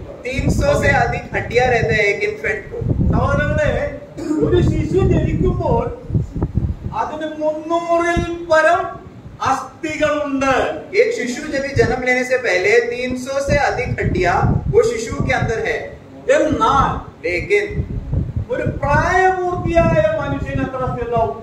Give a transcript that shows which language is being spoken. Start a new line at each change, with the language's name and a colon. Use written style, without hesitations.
Hindi: 300 से अधिक हड्डिया रहते हैं एक इन्फेंट को।
Malayalam: ഒരു ശിശു ജനിക്കുമ്പോൾ അതിന് 300 പരം അസ്ഥികൾ ഉണ്ട്।
Hindi: एक शिशु जब जन्म लेने से पहले 300 से अधिक हड्डियां वो शिशु के अंदर है।
Malayalam: എന്നാൽ
Hindi: लेकिन
Malayalam: ഒരു പ്രായപൂർത്തിയായ മനുഷ്യൻ എത്ര സ്ഥലം,